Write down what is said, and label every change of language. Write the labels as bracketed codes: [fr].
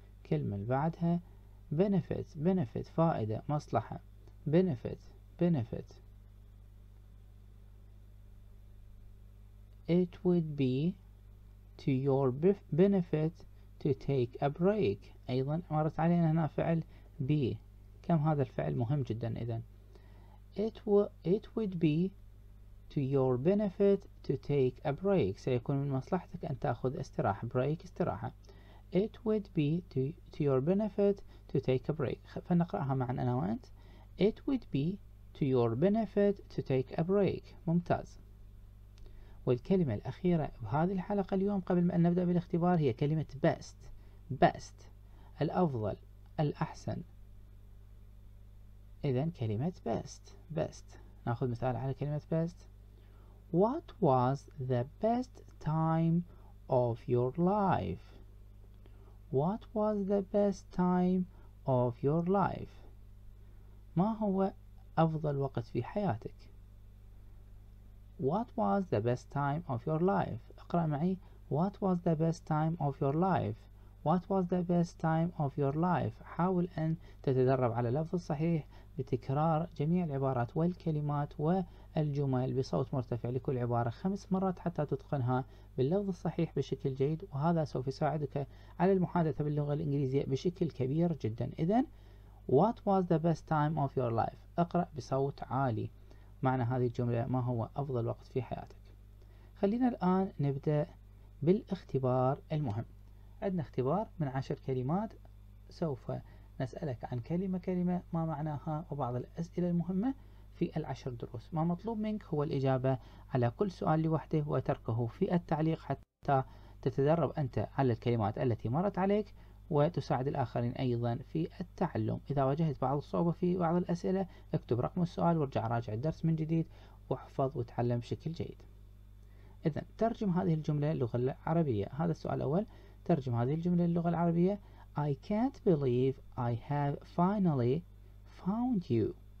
[ar] كلمة بعدها [en] benefit benefit [ar] فائدة مصلحة [en] benefit benefit It would be to your benefit to take a break. [ar] أيضا مرت علينا هنا فعل be. كم هذا الفعل مهم جدا إذن. [en] It would be to your benefit to take a break. [ar] سيكون من مصلحتك أن تأخذ استراحة. Break استراحة. [en] It would be to your benefit to take a break. [ar] فنقرأها معا أنا وأنت. [en] It would be to your benefit to take a break. [ar] ممتاز. والكلمة الأخيرة بهذه الحلقة اليوم قبل ما نبدأ بالاختبار هي كلمة best best الأفضل الأحسن. إذن كلمة best best نأخذ مثال على كلمة best. [en] What was the best time of your life? What was the best time of your life? [ar] ما هو أفضل وقت في حياتك؟ [en] What was the best time of your life? [ar] اقرأ معي. [en] What was the best time of your life? What was the best time of your life? [ar] حاول أن تتدرب على اللفظ الصحيح بتكرار جميع العبارات والكلمات والجمل بصوت مرتفع لكل عبارة 5 مرات حتى تتقنها باللفظ الصحيح بشكل جيد، وهذا سوف يساعدك على المحادثة باللغة الإنجليزية بشكل كبير جدا. [en] إذن What was the best time of your life? [ar] اقرأ بصوت عالي معنى هذه الجملة ما هو أفضل وقت في حياتك. خلينا الآن نبدأ بالاختبار المهم. عندنا اختبار من 10 كلمات سوف نسألك عن كلمة كلمة ما معناها وبعض الأسئلة المهمة في ال10 دروس. ما مطلوب منك هو الإجابة على كل سؤال لوحده وتركه في التعليق حتى تتدرب أنت على الكلمات التي مرت عليك وتساعد الآخرين أيضا في التعلم. إذا واجهت بعض الصعوبة في بعض الأسئلة اكتب رقم السؤال وارجع راجع الدرس من جديد واحفظ وتعلم بشكل جيد. إذن ترجم هذه الجملة للغة العربية. هذا السؤال الأول، ترجم هذه الجملة للغة العربية. [en] I can't believe I have finally found you.